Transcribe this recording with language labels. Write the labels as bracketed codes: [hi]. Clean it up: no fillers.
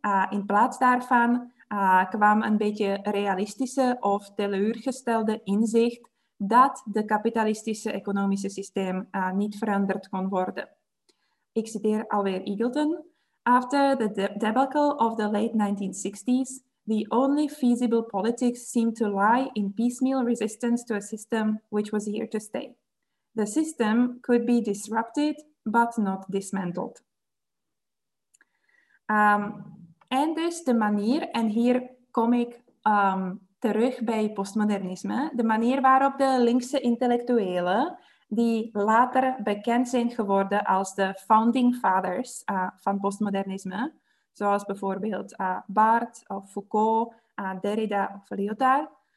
[nl] In plaats daarvan kwam een beetje realistische of teleurgestelde inzicht dat de kapitalistische economische systeem niet veranderd kon worden. Ik citeer alweer Eagleton. [en] After the debacle of the late 1960s, the only feasible politics seemed to lie in piecemeal resistance to a system which was here to stay. The system could be disrupted, but not dismantled. [nl] En dus de manier, en hier kom ik terug bij postmodernisme, de manier waarop de linkse intellectuelen, die later bekend zijn geworden als de founding fathers van postmodernisme, zoals bijvoorbeeld Barthes of Foucault, Derrida of Lyotard.